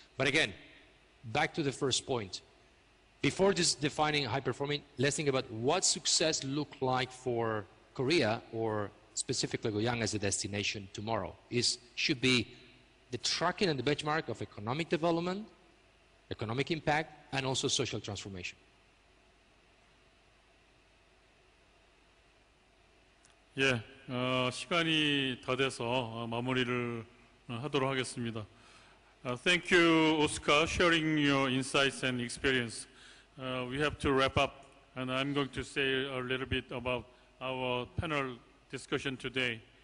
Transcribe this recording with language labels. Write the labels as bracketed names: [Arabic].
[English] But again, back to the first point. Before just defining high performing, let's think about what success look like for Korea or specifically Goyang as a destination tomorrow. Is should be the tracking and the benchmark of economic development, economic impact, and also social transformation. [Korean] 예, 시간이 다 돼서 마무리를 하도록 하겠습니다. [English] Thank you, Oscar, sharing your insights and experience. We have to wrap up, and I'm going to say a little bit about our panel discussion today.